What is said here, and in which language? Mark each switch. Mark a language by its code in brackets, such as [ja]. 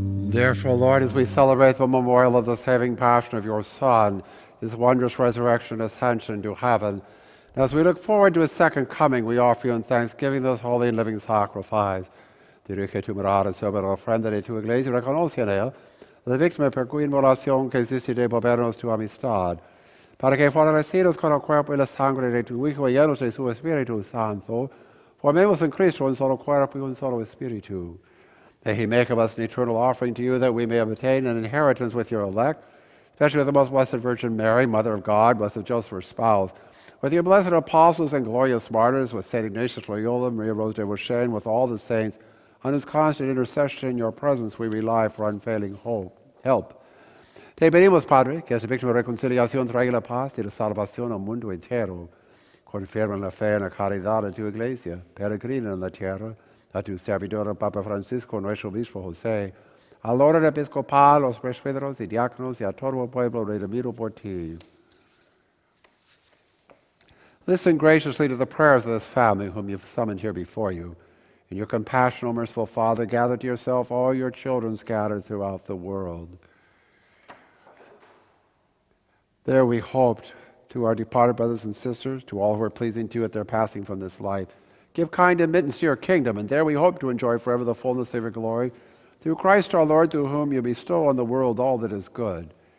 [en] Therefore, Lord, as we celebrate the memorial of the saving passion of your Son, his wondrous resurrection and ascension to heaven, as we look forward to his second coming, we offer you in thanksgiving this holy and living sacrifice. [es] Dirige tu mirada sobre la ofrenda de tu iglesia y reconoce en él la víctima per cui inmolación que hiciste de volvernos tu amistad, para que fortalecidos con el cuerpo y la sangre de tu Hijo y llenos de su Espíritu Santo, formemos en Cristo un solo cuerpo y un solo Espíritu. [en] May he make of us an eternal offering to you, that we may obtain an inheritance with your elect, especially with the most blessed Virgin Mary, Mother of God, blessed Joseph, her spouse, with your blessed apostles and glorious martyrs, with St. Ignatius Loyola, Maria Rose de Wuchang, with all the saints, on whose constant intercession in your presence we rely for unfailing hope, help. [es] Te pedimos, Padre, que esta víctima de reconciliación traiga la paz y la salvación al mundo entero. Confirma la fe en la caridad de tu iglesia, peregrina en la tierra, a tu servidor, Papa Francisco, nuestro obispo José, al orden episcopal, los presbíteros y diáconos, y a todo el pueblo redimido por ti. [en] Listen graciously to the prayers of this family whom you've summoned here before you. In your compassionate, merciful Father, gather to yourself all your children scattered throughout the world. There we hoped, to our departed brothers and sisters, to all who are pleasing to you at their passing from this life, give kind admittance to your kingdom, and there we hope to enjoy forever the fullness of your glory, through Christ our Lord, through whom you bestow on the world all that is good.